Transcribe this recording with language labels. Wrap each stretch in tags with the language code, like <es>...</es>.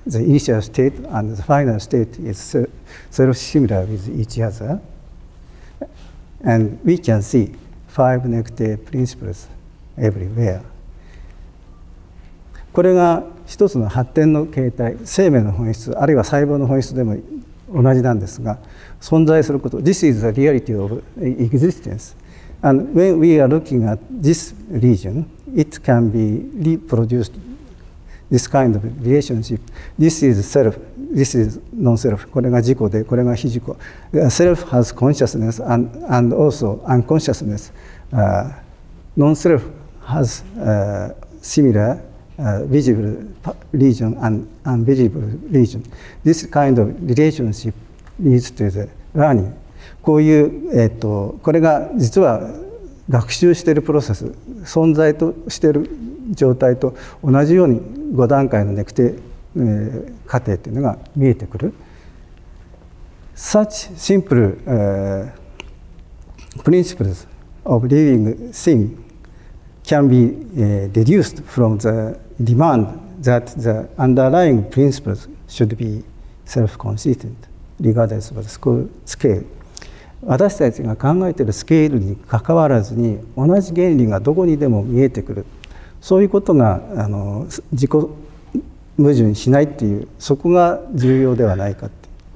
<en>The initial state and the final state is self-similar with each other. And we can see five negative principles everywhere.</en> <ja>これが一つの発展の形態、生命の本質、あるいは細胞の本質でも同じなんですが、存在すること。</ja> <en>This is the reality of existence. And when we are looking at this region, it can be reproduced. This kind of relationship. This is self. This is non-self.</en> <ja>これが自己で、これが非自己。</ja> <en>Self has consciousness and also unconsciousness. Non-self has similar visible region and invisible region. This kind of relationship leads to the learning.</en> <ja>こういう、これが実は学習しているプロセス、存在としている状態と同じように5段階のネクテ、過程というのが見えてくる。</ja> <en>Such simple、principles of living thing can be、deduced from the demand that the underlying principles should be self-consistent regardless of the scale.</en> <ja>私たちが考えているスケールに関わらずに同じ原理がどこにでも見えてくる、そういうことが自己矛盾しないっていう、そこが重要ではないかって。</ja>